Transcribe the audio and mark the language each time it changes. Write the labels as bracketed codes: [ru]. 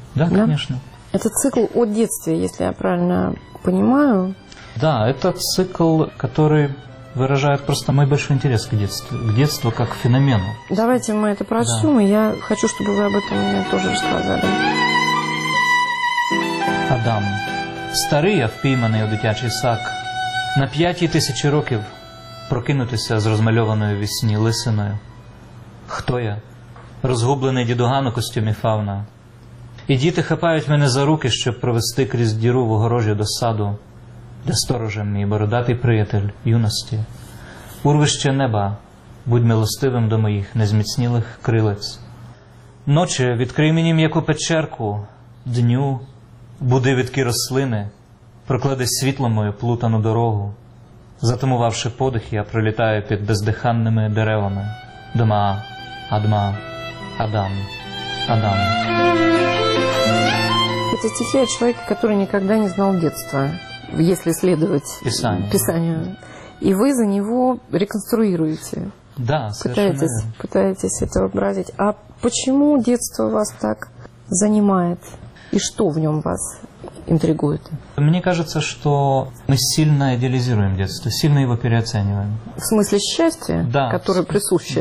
[ru] Да, да, конечно. Это цикл о детстве, если я правильно понимаю. Да, это цикл, который выражает просто мой большой интерес к детству как к феномену. Давайте мы это прочтем, да. И я хочу, чтобы вы об этом мне тоже рассказали. [uk] Адам, старий, впійманий у дитячий сак, на 5000 років прокинутися з розмальованою вісні лисиною. Хто я? Розгублений дідуган у костюмі фауна. І діти хапають мене за руки, щоб провести крізь діру в огорожі до саду, де сторожем мій бородатий приятель юності. Урвище неба, будь милостивим до моїх незміцнілих крилець. Ночі, відкрий мені м'яку печерку, дню, буди відкі рослини, проклади світло мою плутану дорогу. Затамувавши подих, я пролітаю під бездиханними деревами. Дма, Адма, Адам, Адам. Це стихи о чоловіка, який ніколи не знав дитинства, якщо слідувати писанню. І ви за нього реконструюєте. [ru] Да, пытаетесь это образить. А почему детство вас так занимает? И что в нем вас интригует? Мне кажется, что мы сильно идеализируем детство, сильно его переоцениваем. В смысле счастья, да, которое присуще,